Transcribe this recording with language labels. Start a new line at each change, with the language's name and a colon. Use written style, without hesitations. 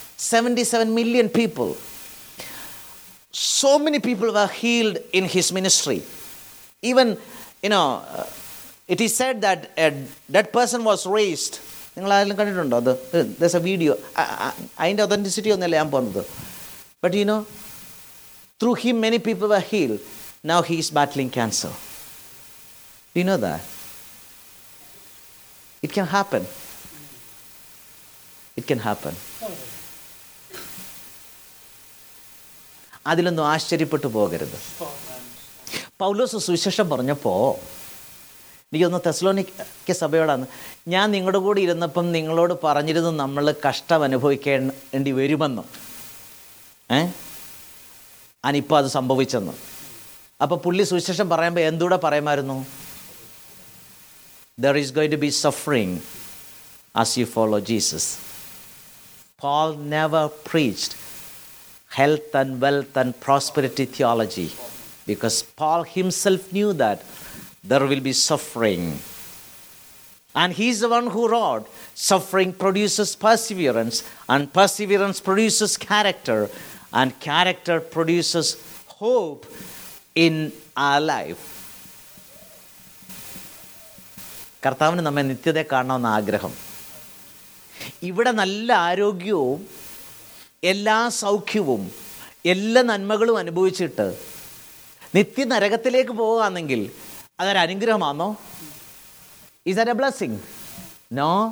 English: 77 million people, so many people were healed in his ministry. Even you know it is said that that person was raised.
Malayalam: നിങ്ങൾ ആരെങ്കിലും കണ്ടിട്ടുണ്ടോ അത്?
English: There's a video.
Malayalam: അതിൻ്റെ authenticity ഒന്നുമല്ല ഞാൻ പോകുന്നത്.
English: But you know, through him many people were healed. Now he is battling cancer. Do you know that? It can happen. It can happen.
Malayalam: അതിലൊന്നും ആശ്ചര്യപ്പെട്ടു പോകരുത്. പൗലോസ് സുവിശേഷം പറഞ്ഞപ്പോൾ എനിക്കൊന്ന് തെസലോനിക്ക സഭയോടാണ്, ഞാൻ നിങ്ങളുടെ കൂടെ ഇരുന്നപ്പം നിങ്ങളോട് പറഞ്ഞിരുന്നു നമ്മൾ കഷ്ടം അനുഭവിക്കേണ്ടി വരുമെന്നും അനിപ്പം അത് സംഭവിച്ചെന്നും. അപ്പോൾ പുള്ളി സുവിശേഷം പറയുമ്പോൾ എന്തുകൂടെ പറയുമായിരുന്നു?
English: There is going to be suffering as you follow Jesus. Paul never preached health and wealth and prosperity theology because Paul himself knew that there will be suffering. And he's the one who wrote, suffering produces perseverance and perseverance produces character and character produces hope in our life.
Malayalam: കർത്താവിന് നമ്മെ നിത്യതയെ കാണണമെന്ന ആഗ്രഹം. ഇവിടെ നല്ല ആരോഗ്യവും എല്ലാ സൗഖ്യവും എല്ലാ നന്മകളും അനുഭവിച്ചിട്ട് നിത്യ നരകത്തിലേക്ക് പോവുകയാണെങ്കിൽ അതൊരനുഗ്രഹമാണോ?
English: Is that a blessing? No.